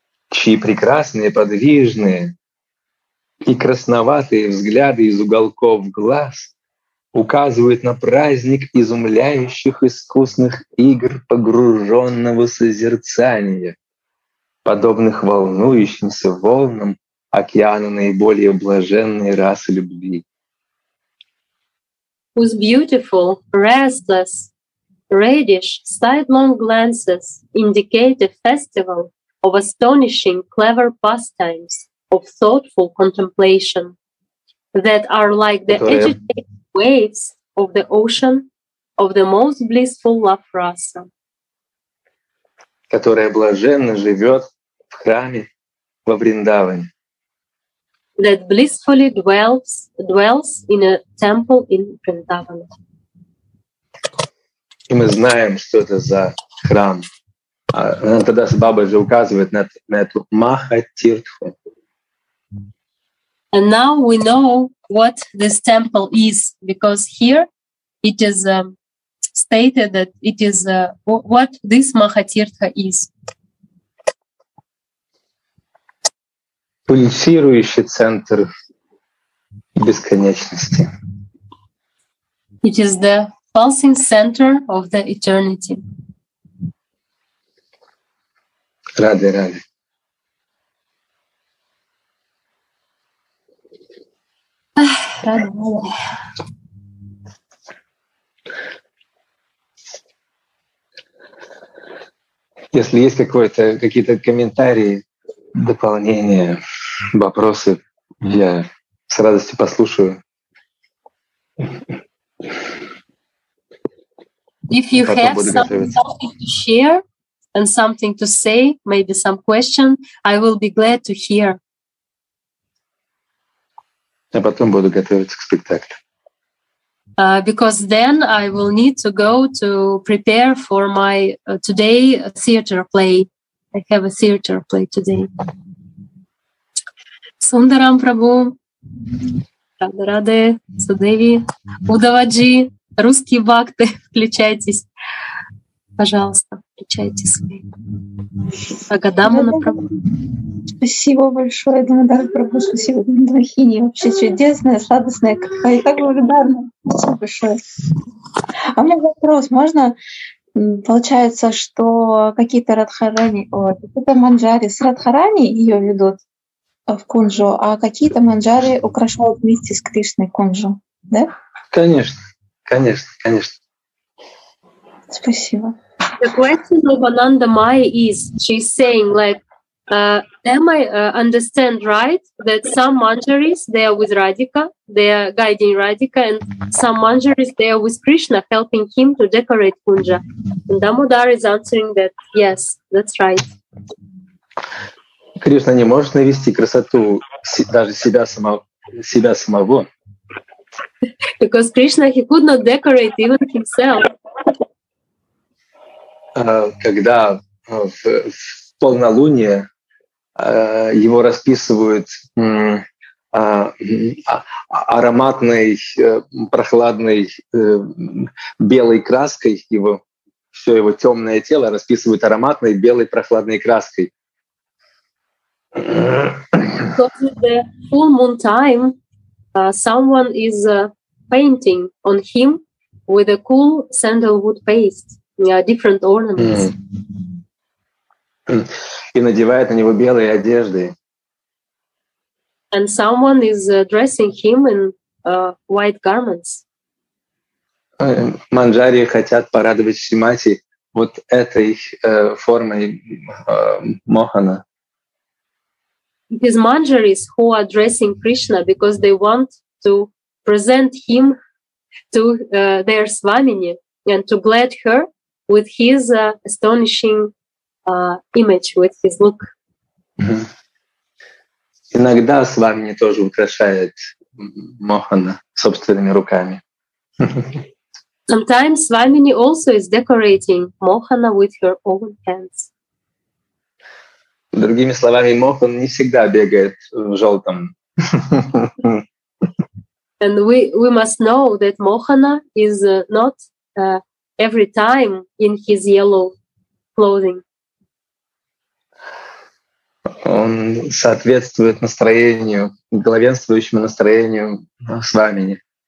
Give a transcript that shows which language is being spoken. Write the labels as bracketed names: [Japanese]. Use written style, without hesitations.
[Russian] Чьи прекрасные, подвижные и красноватые взгляды из уголков глаз указывают на праздник изумляющих искусных игр погруженного созерцания, подобных волнующимся волнам океана наиболее блаженной расы любви. [English] Whose beautiful, restless, reddish, sidelong glances indicate a festival of astonishing, clever pastimes of thoughtful contemplation that are like the agitated waves of the ocean of the most blissful love rasa. [Russian] Которая блаженно живет в храме во Вриндаване. [English] That blissfully dwells in a temple in Vrindavan. [Russian] И мы знаем, что это за храм. Анантадас Бабаджи указывает на эту Махатиртху. [English] And now we know what this temple is, because here it is stated that it is what this Махатиртха is. [Russian] Пульсирующий центр бесконечности. [English] It is the pulsing center of the eternity. Radhe, Radhe. [Russian] Если есть какие-то комментарии, дополнения, вопросы, я с радостью послушаю. [English] If you have something to share and something to say, maybe some question, I will be glad to hear. [Russian] Я потом буду готовиться к спектаклю. [English] Because then I will need to go to prepare for my today theater play. I have a theater play today. [Russian] Сундарам Прабу, Радхараде, Судеви, Удаваджи, русские бхакты, включайтесь. Пожалуйста, включайтесь. Агадамана Прабу. Спасибо большое, Дамодар Прабху, спасибо, Дамодархини, вообще чудесная, сладостная, какая, я так благодарна, спасибо большое. А у меня вопрос, можно, получается, что какие-то радхарани, вот, это манджари, с радхарани ее ведут в кунжу, а какие-то манджари украшают вместе с Кришной кунжу, да? Конечно, конечно, конечно. Спасибо. [English] The question of Ananda Maya is, she's saying, like, am I understand right that some manjaris they are with Radhika, they are guiding Radhika, and some manjaris they are with Krishna, helping him to decorate Kunja? And Damodar is answering that yes, that's right. [Russian] Krishna не может навести красоту даже себя самого. [English] Because Krishna he could not decorate even himself. [Russian] Когда в полнолуние его расписывают ароматной, прохладной белой краской, его все его темное тело расписывают ароматной белой прохладной краской. [English] Because in the full moon time, someone is painting on him with a cool sandalwood paste, different ornaments. Mm. [Russian] И надевает на него белые одежды. [English] And someone is dressing him in white garments. [Russian] Манджари хотят порадовать Шримати вот этой формой мохана. [English] It is manjaris who are dressing Krishna because they want to present him to their swamini and to glad her with his astonishing image with his look. Mm-hmm. [Russian] Иногда с вами не тоже украшает мохана собственными руками. [English] Sometimes Swamini also is decorating mohana with her own hands. [Russian] Другими словами, мохан не всегда бегает в желтом. [English] And we must know that mohana is not every time in his yellow clothing. [Russian] Он соответствует настроению, главенствующему настроению свамини.